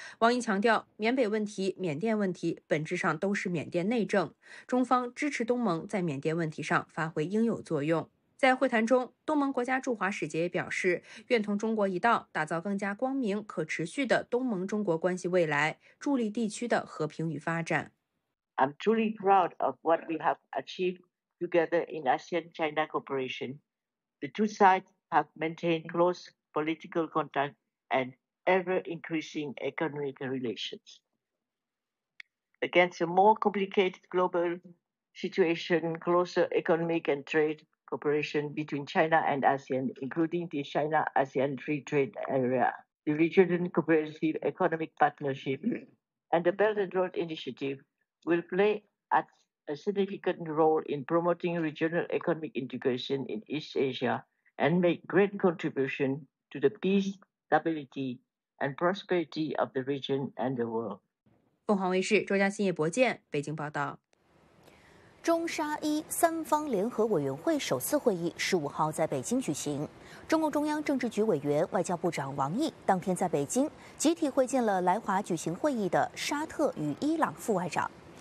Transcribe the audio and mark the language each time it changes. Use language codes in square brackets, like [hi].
[zh] 王毅强调，缅北问题、缅甸问题本质上都是缅甸内政，中方支持东盟在缅甸问题上发挥应有作用。在会谈中，东盟国家驻华使节也表示，愿同中国一道打造更加光明可持续的东盟中国关系未来，助力地区的和平与发展。 [en] I'm truly proud of what we have achieved together in ASEAN China cooperation. The two sides have maintained close political contact and ever increasing economic relations. Against a more complicated global situation, closer economic and tradeCooperation between China and ASEAN, including the China-ASEAN Free Trade Area, the Regional Cooperative Economic Partnership, and the Belt and Road Initiative, will play a significant role in promoting regional economic integration in East Asia and make great contribution to the peace, stability, and prosperity of the region and the world. [zh] 凤凰卫视周嘉欣、叶博健，北京报道。中沙伊三方联合委员会首次会议15号在北京举行。中共中央政治局委员、外交部长王毅当天在北京集体会见了来华举行会议的沙特与伊朗副外长。